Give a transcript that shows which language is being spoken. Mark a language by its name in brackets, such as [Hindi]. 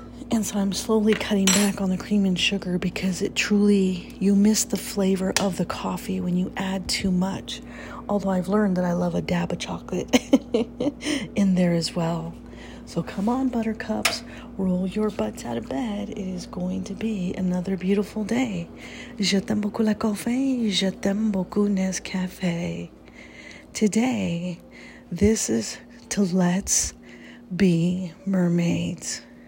[English] And so I'm slowly cutting back on the cream and sugar because it truly, you miss the flavor of the coffee when you add too much. Although I've learned that I love a dab of chocolate in there as well. So come on, buttercups, roll your butts out of bed. It is going to be another beautiful day. [French] Je t'aime beaucoup le café, je t'aime beaucoup Nescafé. [English] Today, this is to Let's Be Mermaids.